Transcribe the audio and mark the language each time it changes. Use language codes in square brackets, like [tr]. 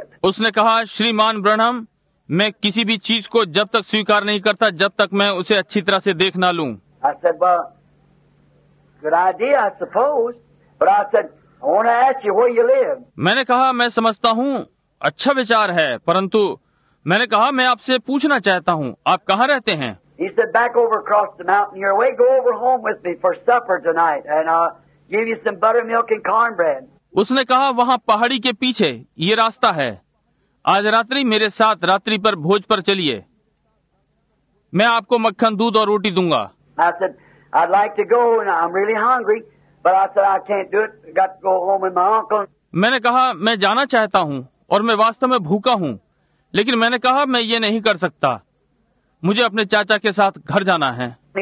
[hi] उसने कहा, श्रीमान ब्रैनहम, मैं किसी भी चीज को जब तक स्वीकार नहीं करता जब तक मैं उसे अच्छी तरह से देख ना लूं। मैंने कहा, मैं समझता हूँ अच्छा विचार है, परंतु मैंने कहा, मैं आपसे पूछना चाहता हूँ, आप कहाँ रहते हैं? [en] He said, back over across the mountain your way, go over home with me for supper tonight and I'll give you some buttermilk and cornbread. [hi] उसने कहा, वहाँ पहाड़ी के पीछे ये रास्ता है, आज रात्रि मेरे साथ रात्रि पर भोज पर चलिए, मैं आपको मक्खन दूध और रोटी दूंगा। [en] I said, I'd like to go and I'm really hungry, but I said, I can't do it, I've got to go home with my uncle. [hi] मैंने कहा, मैं जाना चाहता हूँ और मैं वास्तव में भूखा हूँ, लेकिन मैंने कहा, मैं ये नहीं कर सकता, मुझे अपने चाचा के साथ घर जाना है।